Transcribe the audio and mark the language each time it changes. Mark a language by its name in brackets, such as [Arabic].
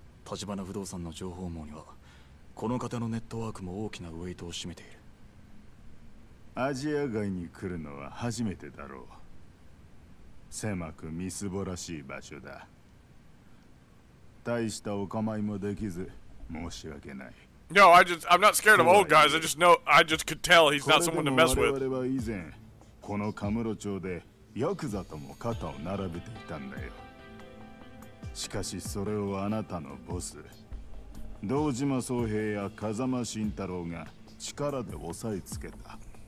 [Japanese] 立花不動産の情報網にはこの方のネットワークも大きなウェイトを占めている。アジア外に来るのは初めてだろう。狭くみすぼらしい場所だ。大したお構いもできず申し訳ない。 [English] No, I'm not scared of old guys. I just could tell he's not someone to mess with. [Japanese] これでも我々は以前、このカムロ町でヤクザとも肩を並べていたんだよ。しかしそれをあなたのボス、堂島宗平や風間慎太郎が力で押さえつけた。